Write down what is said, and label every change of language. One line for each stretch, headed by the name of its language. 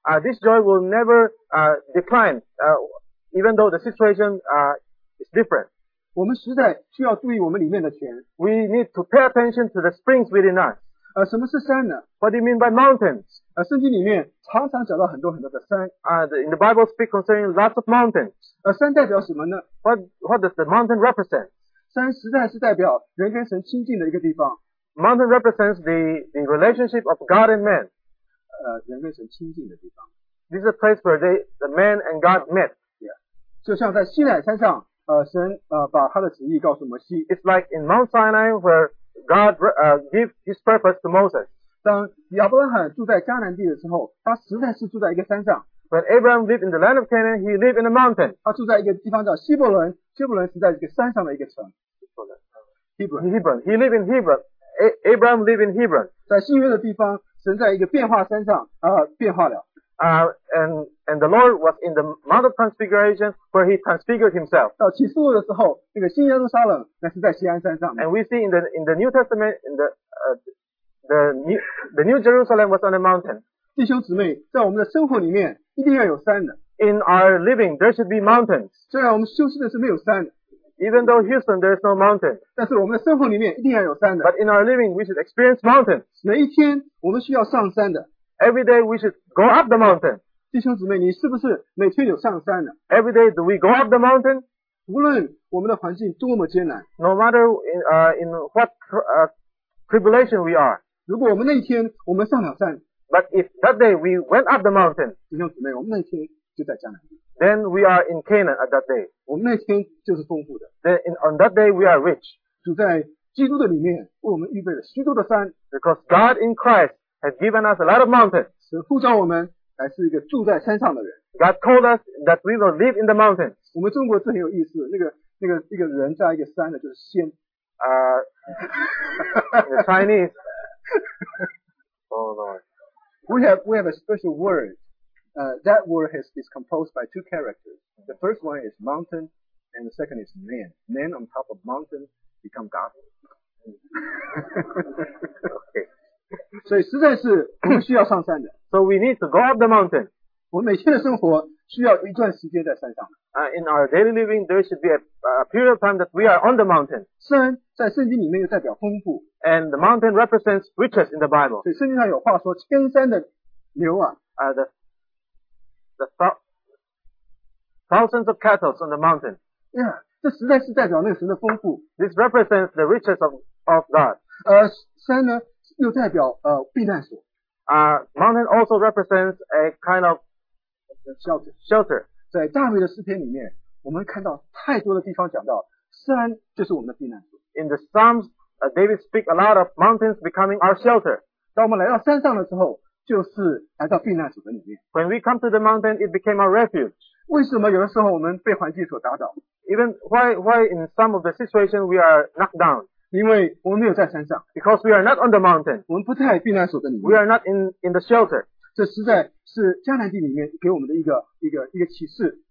English: This joy will never decline, even though the situation is different.
Chinese: 我们实在需要注意我们里面的泉。
English: We need to pay attention to the springs within us.
Chinese: 什么是山呢？
English: What do you mean by mountains?
Chinese: 圣经里面常常讲到很多很多的山。
English: In the Bible speak concerning lots of mountains.
Chinese: 山代表什么呢？
English: What does the mountain represent?
Chinese: 山实在是代表人跟神亲近的一个地方。
English: Mountain represents the relationship of God and man.
Chinese: 人跟神亲近的地方。
English: This is a place where the man and God met. Yeah.
Chinese: 就像在西乃山上神把他的旨意告诉摩西。
English: It's like in Mount Sinai where God give his purpose to Moses.
Chinese: 当亚伯拉罕住在迦南地的时候，他实在是住在一个山上。
English: When Abraham lived in the land of Canaan, he lived in a mountain.
Chinese: 他住在一个地方叫希伯伦，希伯伦是在一个山上的一个城。
English: Hebron. He lived in Hebron. Abraham lived in Hebron.
Chinese: 在新约的地方，神在一个变化山上变化了。
English: And the Lord was in the Mount of Transfiguration where he transfigured himself.
Chinese: 到启示录的时候，那个新耶路撒冷那是在锡安山上。
English: And we see in the New Testament, in the New Jerusalem was on a mountain.
Chinese: 弟兄姊妹，在我们的生活里面一定要有山的。
English: In our living, there should be mountains.
Chinese: 虽然我们休息的是没有山的。
English: Even though Houston, there is no mountain.
Chinese: 但是我们的生活里面一定要有山的。
English: But in our living, we should experience mountains.
Chinese: 每一天我们需要上山的。
English: Every day we should go up the mountain.
Chinese: 弟兄姊妹，你是不是每天有上山的？
English: Every day do we go up the mountain?
Chinese: 无论我们的环境多么艰难。
English: No matter in what tribulation we are.
Chinese: 如果我们那一天我们上了山。
English: But if that day we went up the mountain.
Chinese: 弟兄姊妹，我们那天就在迦南地。
English: Then we are in Canaan at that day.
Chinese: 我们那天就是丰富的。
English: Then on that day we are rich.
Chinese: 主在基督的里面为我们预备了许多的山。
English: Because God in Christ has given us a lot of mountains.
Chinese: 神呼召我们来是一个住在山上的人。
English: God told us that we will live in the mountains.
Chinese: 我们中国字很有意思，那个一个人在一个山的就是仙。
English: The Chinese. Oh Lord. We have a special word. That word is composed by two characters. The first one is mountain, and the second is man. Man on top of mountain become God.
Chinese: 所以实在是我们需要上山的。
English: So we need to go up the mountain.
Chinese: 我们每天的生活需要一段时间在山上。
English: In our daily living, there should be a period of time that we are on the mountain.
Chinese: 山在圣经里面又代表丰富。
English: And the mountain represents riches in the Bible.
Chinese: 所以圣经上有话说，千山的牛啊。
English: The thousands of cattle on the mountain.
Chinese: Yeah, 这实在是代表那个神的丰富。
English: This represents the riches of God.
Chinese: 山呢？又代表避难所。
English: Mountain also represents a kind of shelter.
Chinese: 在大卫的诗篇里面，我们看到太多的地方讲到山就是我们的避难所。
English: In the Psalms, David speaks a lot of mountains becoming our shelter.
Chinese: 当我们来到山上的时候，就是来到避难所的里面。
English: When we come to the mountain, it became our refuge.
Chinese: 为什么有的时候我们被环境所打倒
English: ？Even why in some of the situations we are knocked down?
Chinese: 因为我们没有在山上
English: ，because we are not on the mountain，
Chinese: 我们不在避难所的里面
English: ，we are not in the shelter。
Chinese: 这实在是迦南地里面给我们的一个启示。